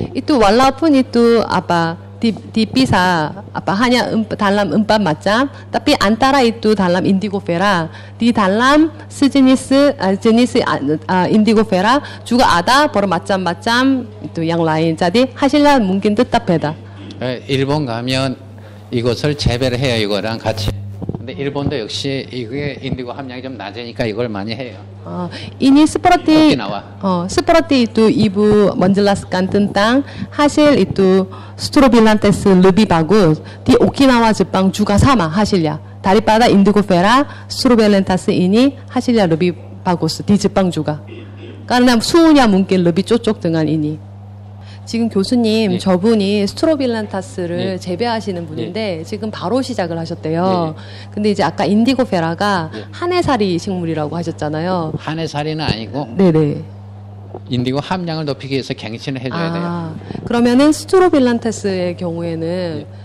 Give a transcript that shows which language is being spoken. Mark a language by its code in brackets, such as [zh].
[id] 이또 walaupun itu apa dipisah apa hanya dalam empat macam tapi antara itu dalam indigofera di dalam sejenis jenis indigofera juga ada bermacam-macam itu yang lain jadi hasilnya mungkin tetap beda. [ko] 일본 가면 이것을 재배해요 이거랑 같이. 근데 일본도 역시 이게 인디고 함량이 좀 낮으니까 이걸 많이 해요. 이니 스프라티 스프라티 [id] itu ibu menjelaskan tentang hasil itu Strobilantes lebih bagus di Okinawa Jepang juga sama hasilnya daripada Indigofera Strobilantes ini hasilnya lebih bagus di Jepang juga karena suhunya mungkin lebih cocok dengan ini [ko] 지금 교수님 예. 저분이 스트로빌란타스를 예. 재배하시는 분인데 예. 지금 바로 시작을 하셨대요. 예. 근데 이제 아까 인디고페라가 예. 한해살이 식물이라고 하셨잖아요. 한해살이는 아니고 네네. 인디고 함량을 높이기 위해서 갱신을 해줘야 아, 돼요. 그러면은 스트로빌란타스의 경우에는 예.